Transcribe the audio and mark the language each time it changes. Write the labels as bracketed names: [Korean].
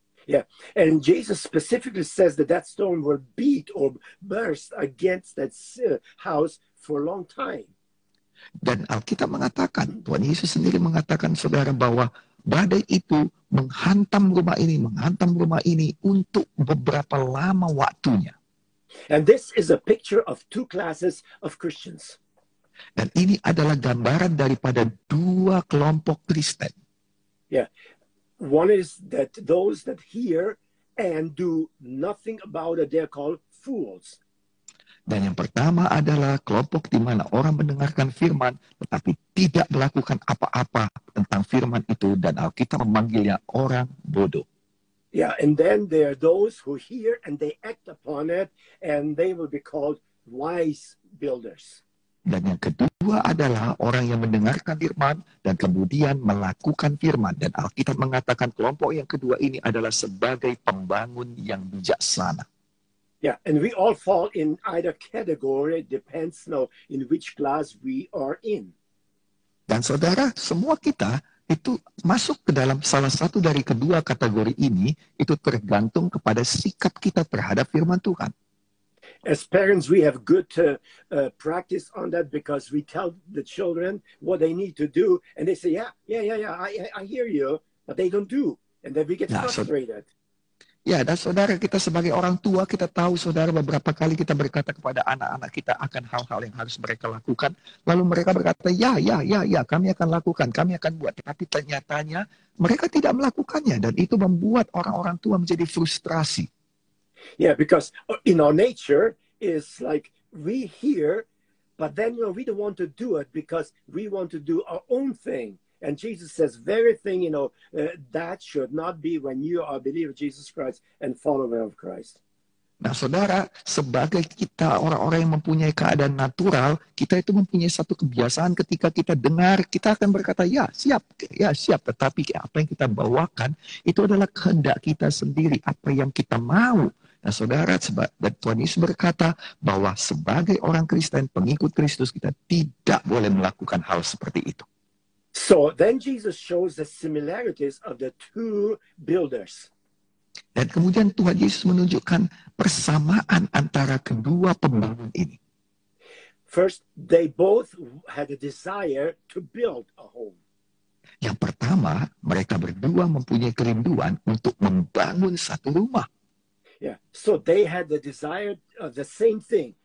[English] Yeah, and Jesus specifically says that storm will beat or burst against that house for a long time. [Indonesian] Dan Alkitab mengatakan, Tuhan Yesus sendiri mengatakan, saudara, bahwa badai itu menghantam rumah ini untuk beberapa lama waktunya. [English] And this is a picture of two classes of Christians. [Indonesian] Dan ini adalah gambaran daripada dua kelompok Kristen. [English] Yeah. One is that those that hear and do nothing about it, they are called fools. [Indonesian] Dan yang pertama adalah kelompok di mana orang mendengarkan firman tetapi tidak melakukan apa-apa tentang firman itu, dan Alkitab memanggilnya orang bodoh. [English] Yeah, and then there are those who hear and they act upon it, and they will be called wise builders. [Indonesian] Dan yang kedua adalah orang yang mendengarkan firman dan kemudian melakukan firman, dan Alkitab mengatakan kelompok yang kedua ini adalah sebagai pembangun yang bijaksana. [English] Yeah, and we all fall in either category, depends now in which class we are in. [Indonesian] Dan saudara, semua kita itu masuk ke dalam salah satu dari kedua kategori ini, itu tergantung kepada sikap kita terhadap firman Tuhan. [English] As parents, we have good practice on that because we tell the children what they need to do, and they say, I hear you, but they don't do. And then we get frustrated. [Indonesian] Ya, dan saudara, kita sebagai orang tua, kita tahu, saudara, beberapa kali kita berkata kepada anak-anak kita akan hal-hal yang harus mereka lakukan. Lalu mereka berkata, ya, kami akan lakukan, kami akan buat. Tapi ternyatanya, mereka tidak melakukannya. Dan itu membuat orang-orang tua menjadi frustrasi. [English] Yeah, because in our nature, is like we hear, but then we don't want to do it because we want to do our own thing. And Jesus says, very thing, you know, that should not be when you are a believer of Jesus Christ and follower of Christ. [Indonesian] Nah, saudara, sebagai kita orang-orang yang mempunyai keadaan natural, kita itu mempunyai satu kebiasaan ketika kita dengar, kita akan berkata, ya siap, tetapi apa yang kita bawakan, itu adalah kehendak kita sendiri, apa yang kita mau. Nah, saudara, dan Tuhan Yesus berkata bahwa sebagai orang Kristen, pengikut Kristus, kita tidak boleh melakukan hal seperti itu. [English] So, then Jesus shows the similarities of the two builders. [Indonesian] Dan kemudian Tuhan Yesus menunjukkan persamaan antara kedua pembangun ini. [English] First, they both had a desire to build a home. [Indonesian] Yang pertama, mereka berdua mempunyai kerinduan untuk membangun satu rumah. [English] Yeah, so they had the desire of the same thing.